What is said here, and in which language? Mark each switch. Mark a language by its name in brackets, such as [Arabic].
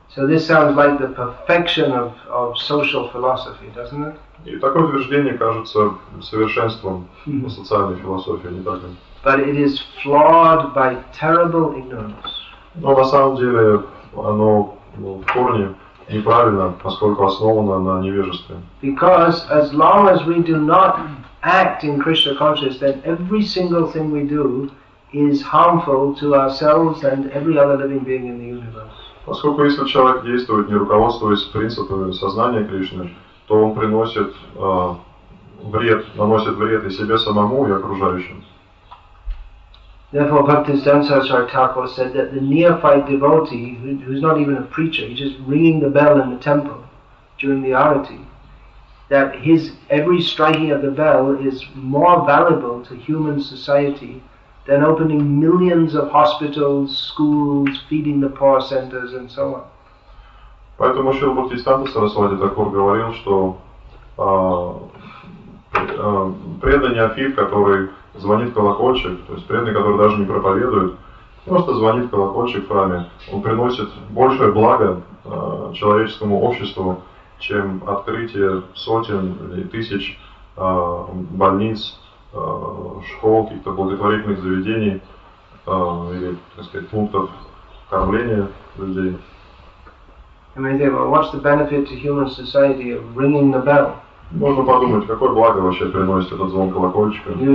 [English] So this sounds like the perfection of social philosophy, doesn't it? [Russian] И такое утверждение кажется совершенством социальной философии, не так ли? [English] But it is flawed by terrible ignorance. [Russian] Но на самом деле оно в корне неправильно, поскольку основано на невежестве. [English] Because as long as we do not act in Krishna consciousness, then every single thing we do is harmful to ourselves and every other living being in the universe. [Russian] Поскольку если человек действует, не руководствуясь принципами сознания Кришны, то он приносит вред, наносит вред и себе самому, и окружающим. [English] Therefore, Bhaktisiddhanta Sarasvati Thakur said that the neophyte devotee, who's not even a preacher, he's just ringing the bell in the temple during the arati, that his every striking of the bell is more valuable to human society than opening millions of hospitals, schools, feeding the poor centers, and so on. [Russian] Поэтому Шрила Бхактисиддханта Сарасвати Такур говорил, что преданный неофит, который звонит колокольчик, то есть преданный, который даже не проповедует, просто звонит колокольчик в храме. Он приносит большее благо человеческому обществу, чем открытие сотен или тысяч больниц, школ, каких-то благотворительных заведений или, так сказать, пунктов кормления людей. [English] And they say, well, what's the benefit to human society of ringing the bell? [Russian] Можно подумать, какое благо вообще приносит этот звон колокольчика.